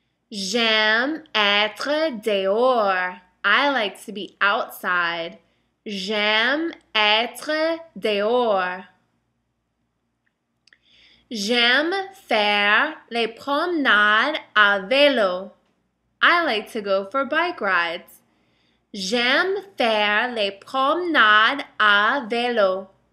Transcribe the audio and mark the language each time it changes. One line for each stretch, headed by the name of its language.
French: J'aime être dehors.
English: I like to be outside.
French: J'aime être dehors. J'aime faire les promenades à vélo.
English: I like to go for bike rides.
French: J'aime faire les promenades à vélo.